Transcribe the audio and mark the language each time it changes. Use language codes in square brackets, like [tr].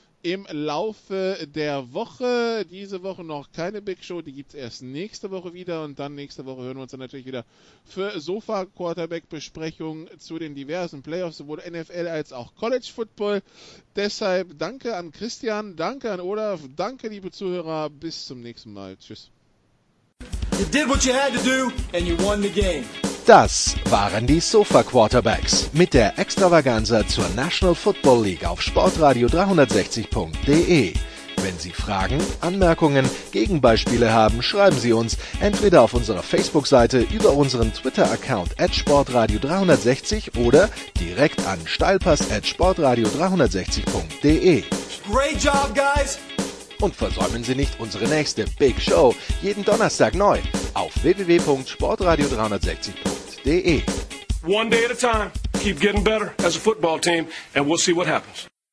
[de] Im Laufe der Woche, diese Woche noch keine Big Show, die gibt es erst nächste Woche wieder, und dann nächste Woche hören wir uns dann natürlich wieder für Sofa-Quarterback-Besprechungen zu den diversen Playoffs, sowohl NFL als auch College-Football. Deshalb danke an Christian, danke an Olaf, danke liebe Zuhörer, bis zum nächsten Mal. Tschüss. [en] You did what you had to do and you won the game. [de] Das waren die Sofa Quarterbacks mit der Extravaganza zur National Football League auf sportradio360.de. Wenn Sie Fragen, Anmerkungen, Gegenbeispiele haben, schreiben Sie uns entweder auf unserer Facebook-Seite über unseren Twitter-Account @sportradio360 oder direkt an steilpass@sportradio360.de. [en] Great job, guys! [de] Und versäumen Sie nicht unsere nächste Big Show, jeden Donnerstag neu auf www.sportradio360.de. [en] One day at a time, keep getting better as a football team, and we'll see what happens.